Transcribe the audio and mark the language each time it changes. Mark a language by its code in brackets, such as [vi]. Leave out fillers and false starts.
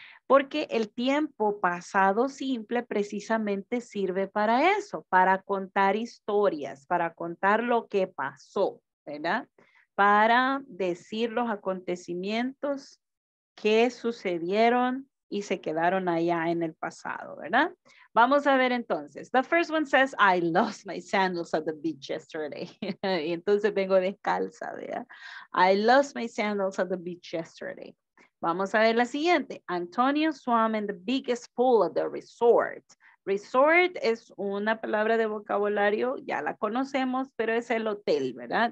[es] Porque el tiempo pasado simple precisamente sirve para eso, para contar historias, para contar lo que pasó, ¿verdad? Para decir los acontecimientos que sucedieron y se quedaron allá en el pasado, ¿verdad? Vamos a ver entonces. [en] The first one says, I lost my sandals at the beach yesterday. [es] Y entonces vengo descalza, ¿verdad? [en] I lost my sandals at the beach yesterday. [es] Vamos a ver la siguiente. [en] Antonio swam in the biggest pool of the resort. [es] Resort es una palabra de vocabulario, ya la conocemos, pero es el hotel, ¿verdad?